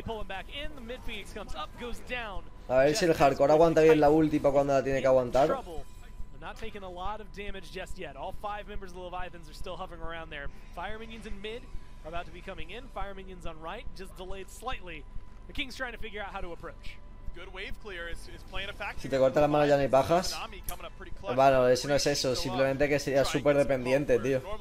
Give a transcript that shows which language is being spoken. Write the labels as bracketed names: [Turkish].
[Spanish] A ver si el hardcore aguanta bien la ulti para cuando la tiene que aguantar. [English] Not taking a lot of damage just yet. All 5 members of the Leviathans are still hovering around there. Fire minions in mid are about to be coming in. Fire minions on right just delayed slightly. The King's trying to figure out how to approach. Good wave clear is playing a factor. [Spanish] Si te cortas las manos ya no hay bajas. Bueno, eso no es eso. Simplemente que sería súper dependiente, tío.